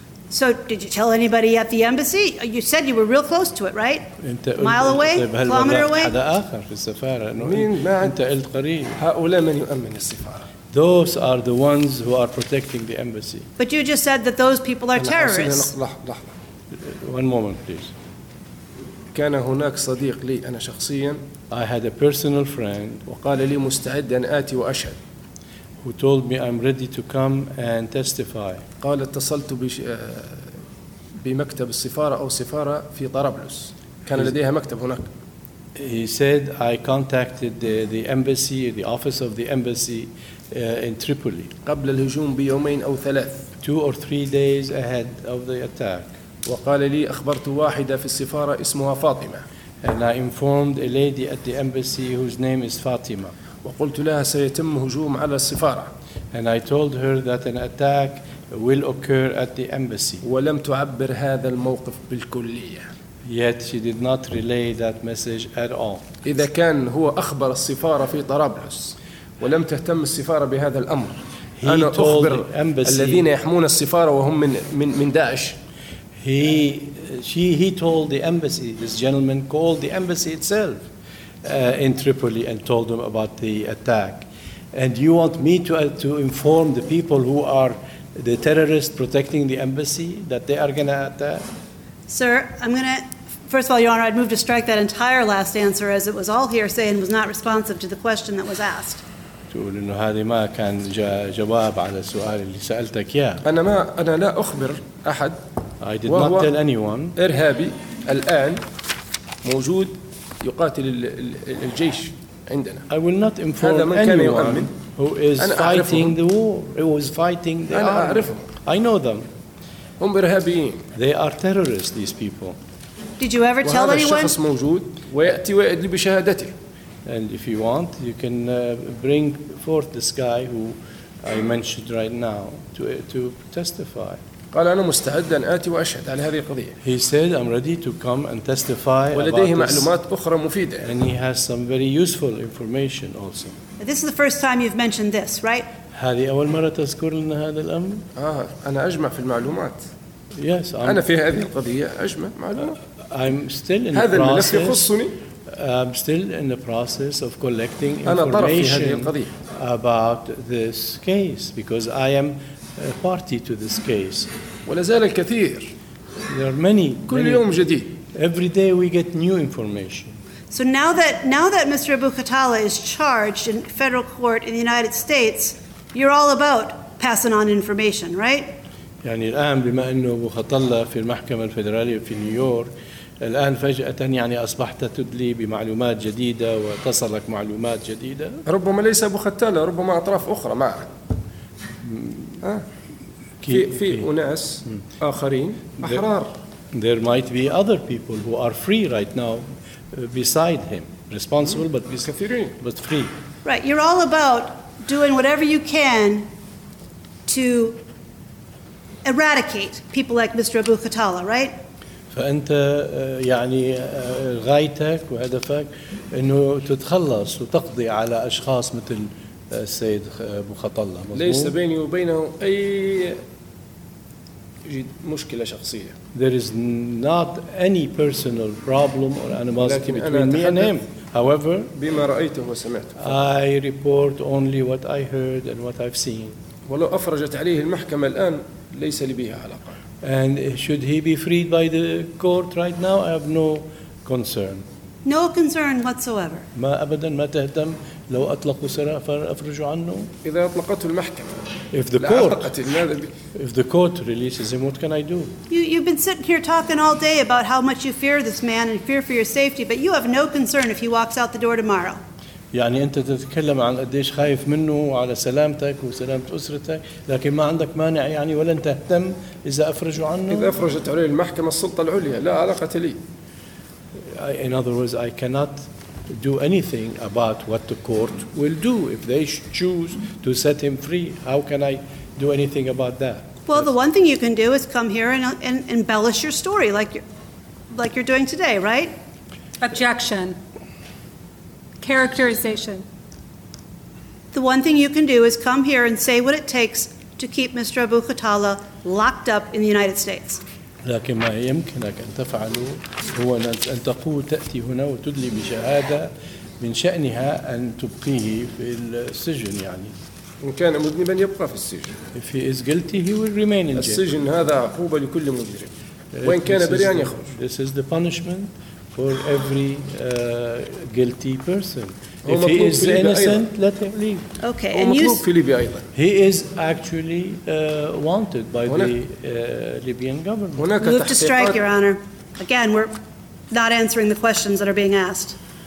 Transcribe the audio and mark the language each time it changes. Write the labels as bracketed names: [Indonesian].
[English] So did you tell anybody at the embassy? You said you were real close to it, right? Mile away, kilometer away. [Arabic] هذا آخر في السفارة. مين ما أنت قلت قريب. هؤلاء من يؤمن السفارة. [English] Those are the ones who are protecting the embassy. But you just said that those people are terrorists. One moment, please. [Arabic] كان هناك صديق لي أنا شخصياً. [English] I had a personal friend. [Arabic] وقال لي مستعد أن آتي وأشهد. [English] Who told me I'm ready to come and testify. [Arabic] قال اتصلت بمكتب السفارة أو سفارة في طرابلس. كان لديها مكتب هناك. [English] He said I contacted the embassy, the office of the embassy in Tripoli. [Arabic] قبل الهجوم بيومين أو ثلاث. [English] Two or three days ahead of the attack. [Arabic] وقال لي أخبرت واحدة في السفارة اسمها فاطمة. [English] And I informed a lady at the embassy whose name is Fatima. [Arabic] وقلت لها سيتم هجوم على السفارة. [English] And I told her that an attack will occur at the embassy. [Arabic] ولم تعبر هذا الموقف بالكلية. [English] Yet she did not relay that message at all. [Arabic] إذا كان هو أخبر السفارة في طرابلس ولم تهتم السفارة بهذا الأمر. [English] He [Arabic] أنا [English] told [Arabic] أخبر [English] the embassy. [Arabic] الذين يحمون السفارة وهم من داعش. [English] He told the embassy, this gentleman called the embassy itself in Tripoli and told them about the attack. And you want me to inform the people who are the terrorists protecting the embassy that they are going to attack? Sir, I'm going to, first of all, Your Honor, I'd move to strike that entire last answer as it was all hearsay and was not responsive to the question that was asked. [Arabic] تقول إنه هذه ما كان جواب على السؤال اللي سألتك إياه. أنا لا أخبر أحد. [English] I did not tell anyone. [Arabic] إرهابي الآن موجود يقاتل الجيش عندنا. [English] I will not inform anyone who is fighting the war. Who is fighting the army. [Arabic] أنا أعرفهم. [English] I know them. [Arabic] هم إرهابيين. [English] They are terrorists. These people. Did you ever tell anyone? [Arabic] وهذا الشخص موجود ويأتي ويأدلي بشهادته. [English] And if you want, you can bring forth this guy who I mentioned right now to testify. [Arabic] قال أنا مستعد أن آتي وأشهد على هذه القضية. [English] He said I'm ready to come and testify. [Arabic] ولديه معلومات أخرى مفيدة. [English] And he has some very useful information also. This is the first time you've mentioned this, right? [Arabic] هذه أول مرة تذكر لنا هذا الأمر؟ أنا أجمع في المعلومات. [English] Yes. [Arabic] أنا في هذه القضية أجمع معلومات. [English] I'm still in [Arabic] هذا [English] process. [Arabic] هذا الملف يخصني. [English] I'm still in the process of collecting information about this case because I am a party to this case. [Arabic] ولازال الكثير. [English] There are many. [Arabic] كل يوم جديد. [English] Every day we get new information. So now that Mr. Abu Khattala is charged in federal court in the United States, you're all about passing on information, right? [Arabic] يعني الآن بما إنه أبو خطلة في المحكمة الفيدرالية في نيويورك. الآن فجأة يعني أصبحت تدلي بمعلومات جديدة وتصلك معلومات جديدة. ربما ليس أبو ختالة، ربما أطراف أخرى معه. في أناس آخرين أحرار. [English] There might be other people who are free right now beside him, responsible but free. Right, you're all about doing whatever you can to eradicate people like Mr. Abu Khattala, right? [Arabic] فأنت يعني غايتك وهدفك إنه تتخلص وتقضي على أشخاص مثل السيد أبو خطلة. ليس بيني وبينه أي مشكلة شخصية. [English] There is not any personal problem or animosity between me and him. However, [Arabic] بما رأيته وسمعته. [English] I report only what I heard and what I've seen. [Arabic] ولو أفرجت عليه المحكمة الآن ليس لي بها علاقة. [English] And should he be freed by the court right now? I have no concern. No concern whatsoever. [Arabic] ما أبدا ما تهتم لو أطلقوا سراح فأفرجوا عنه. إذا أطلقته المحكمة. [English] If the court. If the court releases him, what can I do? You've been sitting here talking all day about how much you fear this man and fear for your safety, but you have no concern if he walks out the door tomorrow. [Arabic] يعني أنت تتكلم عن قديش خايف منه وعلى سلامتك وسلامة أسرتك لكن ما عندك مانع يعني ولا أنت تهتم إذا أفرجوا عنه إذا أفرجت عليه المحكمة السلطة العليا لا علاقة لي. [English] In other words, I cannot do anything about what the court will do if they choose to set him free. How can I do anything about that? Well, the one thing you can do is come here and embellish your story like you're doing today, right? Objection. Characterization. The one thing you can do is come here and say what it takes to keep Mr. Abu Qatala locked up in the United States. [Arabic] لكن ما يمكنك أن تفعله هو أن تقول تأتي هنا وتدلي بشهادة من شأنها أن تبقيه في السجن يعني. إن كان مذنبا يبقى في السجن. [English] If he is guilty, he will remain in jail. [Arabic] السجن هذا عقوبة لكل مجرم. وإن كان بريان يخرج. [English] This is the punishment. For every guilty person. If he is innocent, let him leave. Okay, and you. He is actually wanted by the Libyan government. Move to strike, Your Honor. Again, we're not answering the questions that are being asked.